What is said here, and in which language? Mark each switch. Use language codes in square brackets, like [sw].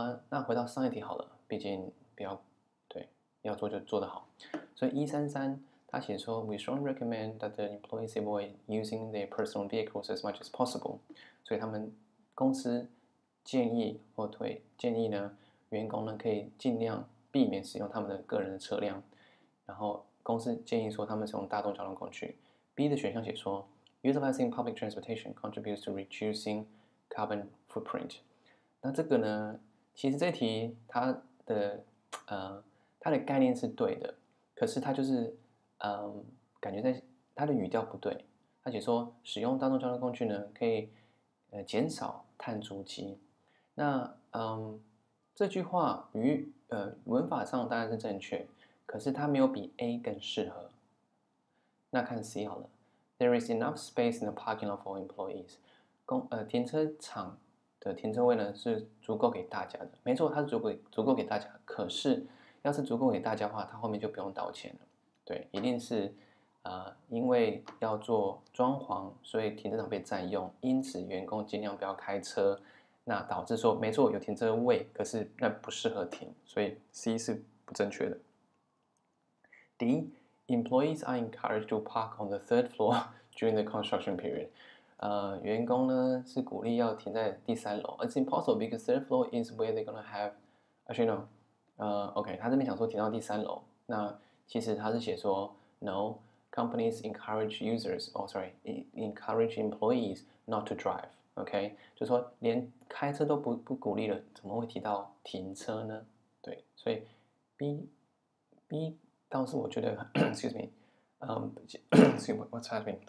[zh] 那回到上一题好了，毕竟不要，对，要做就做得好。所以133它写说， [en] We strongly recommend that the employees avoid using their personal vehicles as much as possible。 [zh] 所以他们公司建议呢，员工呢可以尽量避免使用他们的个人的车辆，然后公司建议说他们使用大众交通工具。 [en] B [zh] 的选项写说， [en] Utilizing public transportation contributes to reducing carbon footprint。 [zh] 那这个呢，其实这题它的概念是对的，可是它就是感觉在它的语调不对。它写说使用大众交通工具呢，可以减少碳足迹。那这句话与文法上当然是正确，可是它没有比 A 更适合。那看 C 好了。 [en] There is enough space in the parking lot for employees. [zh] 停车场的停车位呢是足够给大家的。没错，它是足够给大家。可是要是足够给大家的话，它后面就不用道歉了。对，一定是因为要做装潢，所以停车场被占用，因此员工尽量不要开车，那导致说没错有停车位，可是那不适合停，所以 C 是不正确的。 [en] D, employees are encouraged to park on the third floor during the construction period. [zh] 员工呢是鼓励要停在第三楼。 [en] It's impossible because third floor is where they're gonna have. Actually, no. [zh] OK, 他这边想说停到第三楼，那其实他是写说 No. [en] Companies encourage users, oh sorry, encourage employees not to drive. [zh] OK, 就说连开车都不鼓励了，怎么会提到停车呢？对，所以 B 倒是我觉得 [en] excuse me, excuse me, what's happening?